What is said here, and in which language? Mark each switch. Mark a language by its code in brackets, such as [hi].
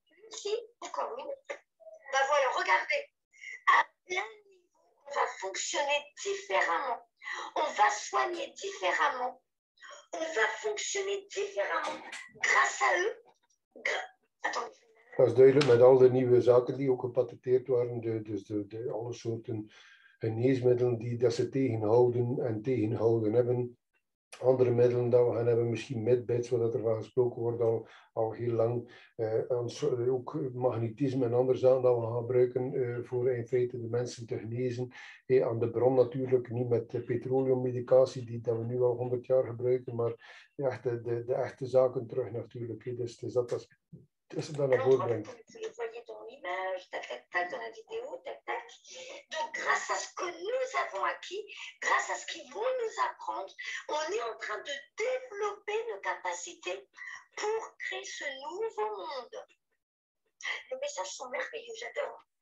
[fr] Si, encore une. Ben voilà, regardez. À plein niveau, on va fonctionner différemment. On va soigner différemment. On va fonctionner différemment grâce à eux. Attendez. [nl] Dat is duidelijk met al de nieuwe zaken die ook gepatenteerd waren, dus de alle soorten geneesmiddelen die dat ze tegenhouden en tegenhouden hebben. Andere middelen dat we gaan hebben, misschien medbeds, wat er van gesproken wordt al heel lang. Ook magnetisme en andere zaken dat we gaan gebruiken voor in feite de mensen te genezen. Hey, aan de bron natuurlijk, niet met petroleummedicatie dat we nu al 100 jaar gebruiken, maar de echte zaken terug natuurlijk. Hey, dus dat Dat ze dat naar voren brengt. [fr] vous le voyez dans l'image, tac, tac, tac, dans la vidéo, tac, tac. Donc, grâce à ce que nous avons acquis, grâce à ce qu'ils vont nous apprendre, on est en train de développer nos capacités pour créer ce nouveau monde. Les messages sont merveilleux, j'adore.